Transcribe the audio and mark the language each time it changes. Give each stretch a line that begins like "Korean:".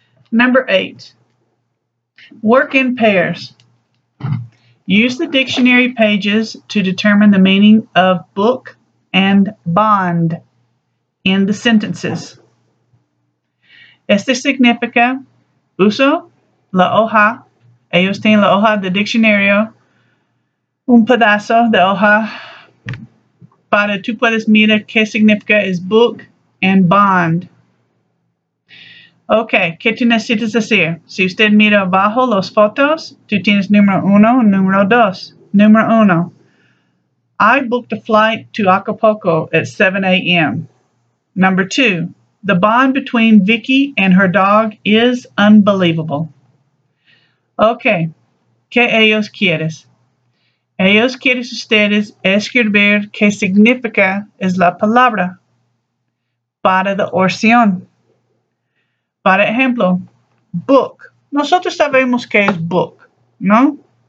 English: Number 8, work in pairs. Use the dictionary pages to determine the meaning of book and bond in the sentences.
Spanish: Este significa uso la hoja. Ellos tienen la hoja de diccionario, un pedazo de hoja. Para tú puedes mirar qué significa es book and bond. Ok, ¿qué tú necesitas hacer? Si usted mira abajo las fotos, tú tienes número uno y número dos. Número uno.
English: I booked a flight to Acapulco at 7 a.m. Number two. The bond between Vicky and her dog is unbelievable.
Spanish: Ok, ¿qué ellos quieres? Ellos quieren ustedes escribir qué significa es la palabra para la oración. Para ejemplo, book. Nosotros sabemos qué es book, ¿no?